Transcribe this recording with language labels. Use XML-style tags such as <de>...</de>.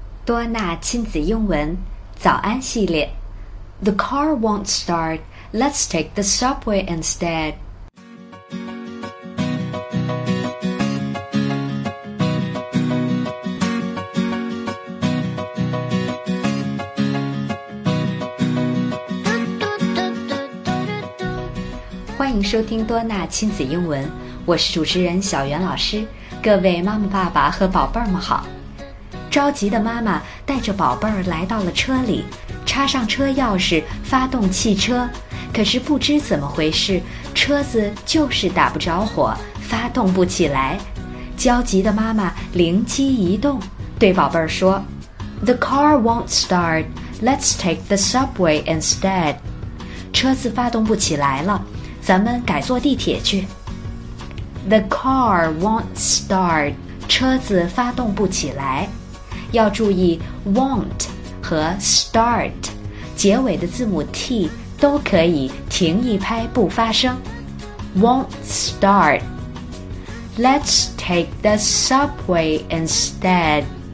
<zh>多安娜亲子英文早安系列</zh> <en>The car won't start. Let's take the subway instead.</en> <zh>欢迎收听多安娜亲子英文，我是主持人小袁老师。各位妈妈爸爸和宝贝儿们好。着急的妈妈带着宝贝儿来到了车里，插上车钥匙发动汽车，可是不知怎么回事，车子就是打不着火，发动不起来。焦急的妈妈灵机一动，对宝贝儿说</zh> <en>The car won't start, let's take the subway instead.</en> <zh>车子发动不起来了，咱们改坐地铁去。</zh> <en>The car won't start,</en> <zh>车子发动不起来。要注意 won't 和 start 结尾的字母 t 都可以停一拍不发声。</zh> <en>won't start. Let's take the subway instead.</en>